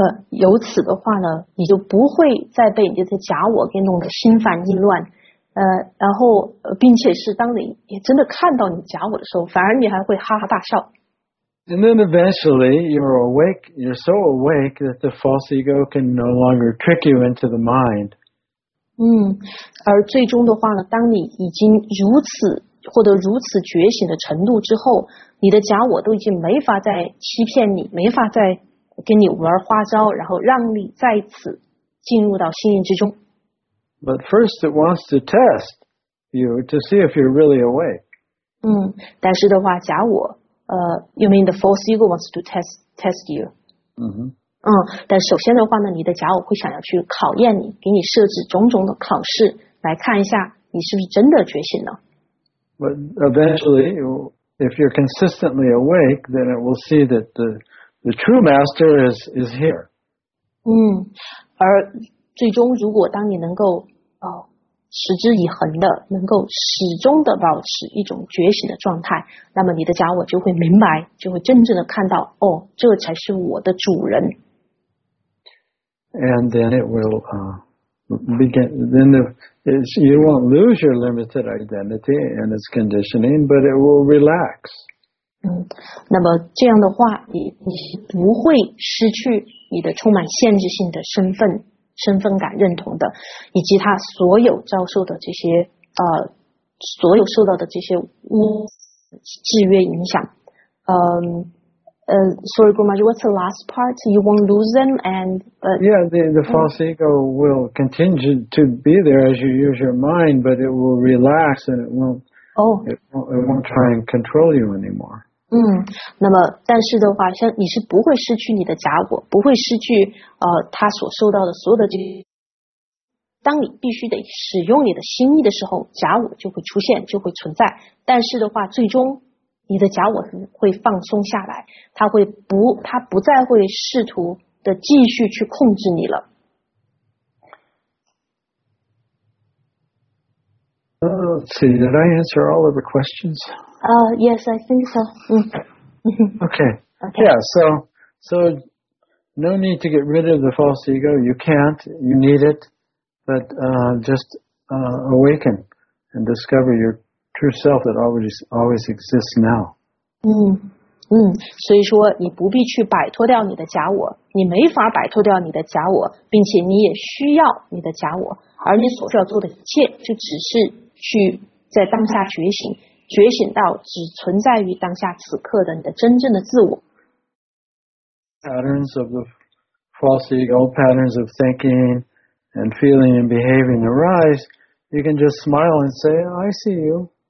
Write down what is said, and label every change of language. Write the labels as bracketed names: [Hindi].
[Chinese] 由此的话呢，你就不会再被你的假我给弄得心烦意乱。然后并且是当你也真的看到你假我的时候，反而你还会哈哈大笑。 [English] And then eventually you're awake, you're so awake that the false ego can no longer trick you into the mind. [Chinese] 而最终的话呢，当你已经如此获得如此觉醒的程度之后，你的假我都已经没法再欺骗你，没法再跟你玩花招，然后让你再次进入到心意之中。 [English] But first it wants to test you to see if you're really awake. [Chinese] 但是的话假我 [English] you mean the false ego wants to test you. [Chinese] 但首先的话呢你的假我会想要去考验你给你设置种种的考试来看一下你是不是真的觉醒了。 [English] But eventually, if you're consistently awake, then it will see that the true master is here. [Chinese] 而最终如果当你能够持之以恒的能够始终的保持一种觉醒的状态那么你的假我就会明白就会真正的看到哦这才是我的主人。 [English] And then it will, you won't lose your limited identity and its conditioning, but it will relax. [Chinese] 那么这样的话 你不会失去你的充满限制性的身份感认同的以及他所有遭受的这些所有受到的这些制约影响。 [English] Sorry, Gurumaji, what's the last part? You won't lose them and... The false ego will continue to be there as you use your mind, but it will relax and it won't try and control you anymore. [Chinese] 那么但是的话像你是不会失去你的假我不会失去他所受到的所有的这些。当你必须得使用你的心意的时候假我就会出现就会存在。但是的话最终你的假我会放松下来他不再会试图的继续去控制你了。 [English] Did I answer all of the questions? Yes, I think so. Okay. Okay. Yeah, so no need to get rid of the false ego. You can't. You need it. But just awaken and discover your true self that always exists now. [Chinese] 所以说你不必去摆脱掉你的假我你没法摆脱掉你的假我并且你也需要你的假我而你所需要做的一切就只是去在当下觉醒觉醒到只存在于当下此刻的你的真正的自我 [English] Patterns of the false ego patterns of thinking and feeling and behaving arise you can just smile and say I see you